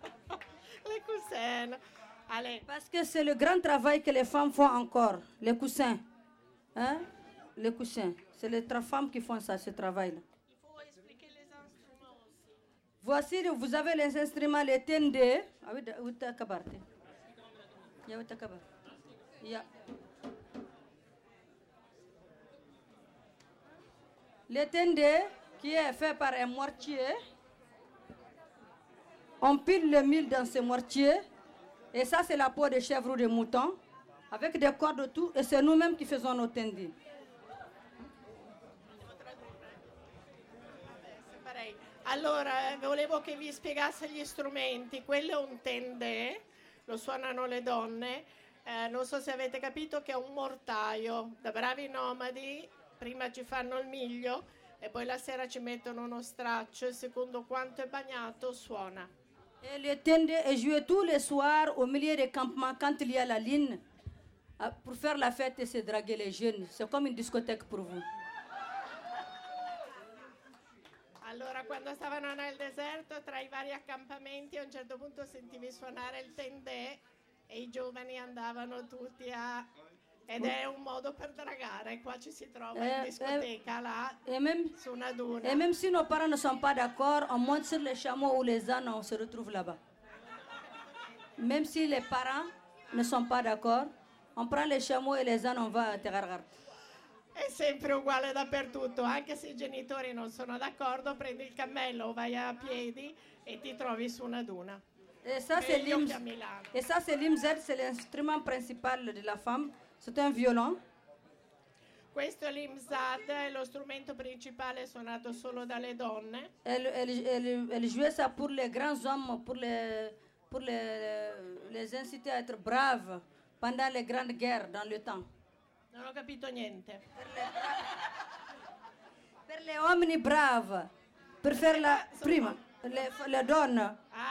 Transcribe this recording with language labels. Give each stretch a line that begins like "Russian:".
French: les coussins. Allez. Parce que c'est le grand travail que les femmes font encore, les coussins. Hein? Les coussins, c'est les trois femmes qui font ça, ce travail-là. Il faut expliquer les instruments aussi. Voici, vous avez les instruments, les tende. Ah oui, où est-ce que tu es? Il y a où est-ce que tu es? Les tende, qui est fait par un mortier, on pile le mil dans ce mortier, et ça, c'est la peau de chèvre ou de mouton, avec des cordes autour, et c'est nous-mêmes qui faisons nos tende.
Italian: Allora, volevo che vi spiegasse gli strumenti. Quello è un tende, lo suonano le donne. Non so se avete capito che è un mortaio. Da bravi nomadi, prima ci fanno il miglio e poi la sera ci mettono uno straccio e secondo quanto è bagnato suona.
French: E le tende è joué tous les soirs au milieu des campements quand il y a la ligne pour faire la fête et se draguer les jeunes. C'est comme une discothèque pour vous.
Italian: Allora, quando stavano nel deserto, tra i vari accampamenti, a un certo punto sentivi suonare il tende e i giovani andavano tutti a... Ed è un modo per dragare. Qua ci si trova in discoteca, là, su una duna.
French: E même si nos parents ne sont pas d'accord, on monte sur les chameaux ou les ânes, on se retrouve là-bas. Même si les parents ne sont pas d'accord, on prend les chameaux et les ânes, on va à Tegargar.
Italian: È sempre uguale dappertutto, anche se i genitori non sono d'accordo, prendi il cammello, vai a piedi e ti trovi su una duna.
French: E ça c'est l'imz. E ça c'est l'imz, c'est l'instrument principal de la femme, c'est un violon.
Italian: Questo è l'imz, è lo strumento principale suonato solo dalle donne.
French: Elle joue ça pour les grands hommes, pour les inciter à être brave pendant les grandes guerres dans le temps.
Italian: Non ho capito niente. Per le uomini brave, per fare la prima, le donne,